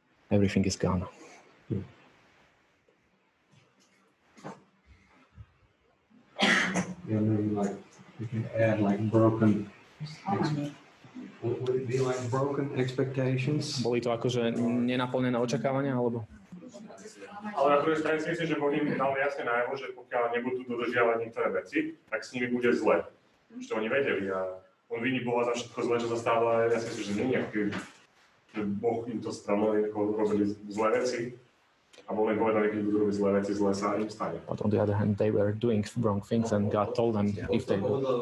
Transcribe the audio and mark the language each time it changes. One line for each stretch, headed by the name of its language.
English: Everything is gone. Yeah, maybe like, you can add like broken. Would it be like broken expectations?
Slovak: Boli to akože nenaplnené očakávania, alebo? Ale na druhej strane si myslím, že Boh im dal jasne najavo, že pokiaľ nebudú dodržiavať niektoré veci, tak s nimi bude zle. Už to oni vedeli a on viní Boha za všetko zle, čo sa stáva, ale ja si myslím, že nie, že Boh im to stranol, ako robili zlé veci. A Boh im povedal, keď budú robiť zlé veci, zle sa im stane.
English: But on the other hand, they were doing wrong things and God told them if they do.